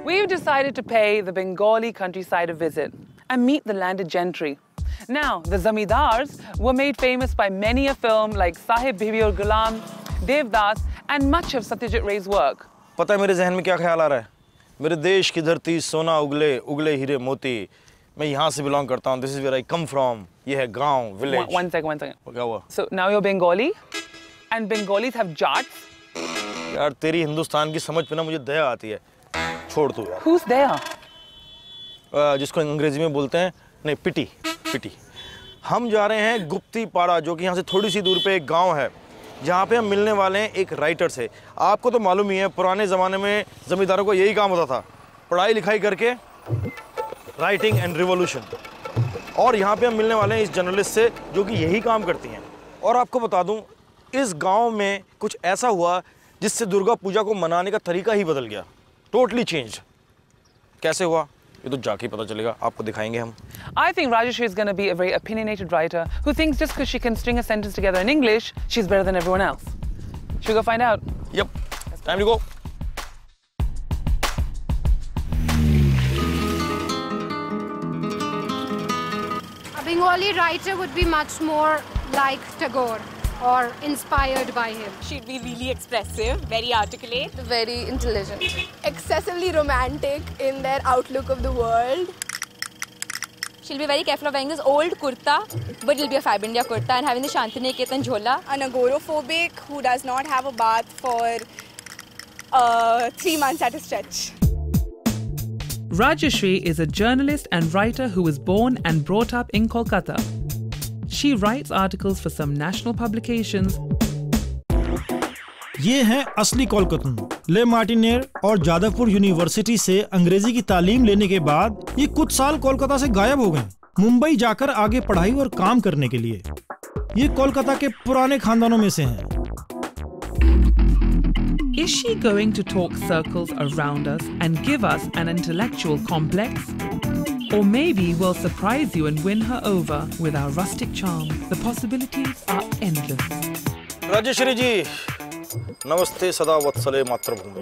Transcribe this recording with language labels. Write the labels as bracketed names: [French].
[English] Decided to pay the Bengali countryside a visit and meet the landed gentry. Now, the zamindars were made famous by many a film like Sahib Bibi aur Ghulam, Devdas, and much of Satyajit Ray's work. [Hindi] पता है मेरे ज़हन में क्या ख्याल आ रहा है? मेरे देश की धरती सोना उगले उगले हीरे मोती. मैं यहाँ से belong करता हूँ. [English] This is where I come from. [Hindi] ये है गांव village. [English] One second. [Hindi] क्या हुआ? [English] So now you're Bengali, and Bengalis have jats. [Hindi] यार तेरी हिंदुस्तान की समझ पे ना मुझे दया आती है. छोड़ दो यार. [English] Who's there? [Hindi] जिसको अंग्रेजी में बोलते हैं नहीं पिटी पिटी. हम जा रहे हैं गुप्ती पाड़ा जो कि यहाँ से थोड़ी सी दूर पे एक गांव है जहाँ पे हम मिलने वाले हैं एक राइटर से. आपको तो मालूम ही है पुराने ज़माने में ज़मींदारों को यही काम होता था पढ़ाई लिखाई करके राइटिंग एंड रिवोल्यूशन. और यहाँ पर हम मिलने वाले हैं इस जर्नलिस्ट से जो कि यही काम करती हैं. और आपको बता दूँ इस गाँव में कुछ ऐसा हुआ जिससे दुर्गा पूजा को मनाने का तरीका ही बदल गया. [English] Totally changed. [Hindi] कैसे हुआ? ये तो जाके पता चलेगा. आपको दिखाएंगे हम. [English] I think Rajeshri is going to be a very opinionated writer who thinks just because she can string a sentence together in English, she's better than everyone else. Should we go find out? Yep. Time to go. A Bengali writer would be much more like Tagore. or inspired by him. She'd be really expressive, very articulate. Very intelligent. Excessively romantic in their outlook of the world. She'll be very careful of wearing this old kurta, but it'll be a Fab India kurta and having the Shantini Ketan jhola. An agoraphobic who does not have a bath for 3 months at a stretch. Rajashree is a journalist and writer who was born and brought up in Kolkata. She writes articles for some national publications. [Hindi] ये हैं असली कोलकाता। ले मार्टिनेर और Jadavpur university से अंग्रेजी की तालीम लेने के बाद ये कुछ साल कोलकाता से गायब हो गए मुंबई जाकर आगे पढ़ाई और काम करने के लिए। ये कोलकाता के पुराने खानदानों में से हैं। [English] Is she going to talk circles around us and give us an intellectual complex? Or maybe we'll surprise you and win her over with our rustic charm. The possibilities are endless. [Sanskrit] Rajashree ji, namaste sada vatsale matrabhumi.